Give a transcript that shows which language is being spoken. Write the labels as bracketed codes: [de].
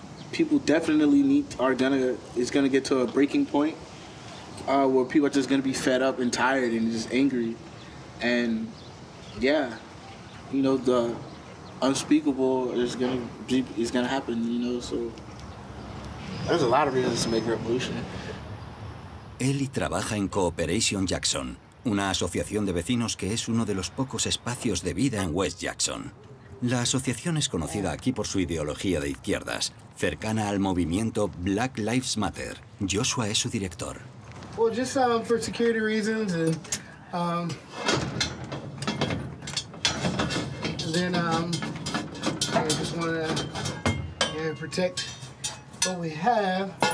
[en] People definitely need, it's gonna get to a breaking point where people are just gonna be fed up and tired and just angry. And yeah. You know, the unspeakable is gonna happen, you know, so there's a lot of reasons to make a revolution. [es] Ellie trabaja en Cooperation Jackson, una asociación de vecinos que es uno de los pocos espacios de vida en West Jackson. La asociación es conocida aquí por su ideología de izquierdas, cercana al movimiento Black Lives Matter. Joshua es su director. [en] Well, just for security reasons and then I just wanna protect what we have.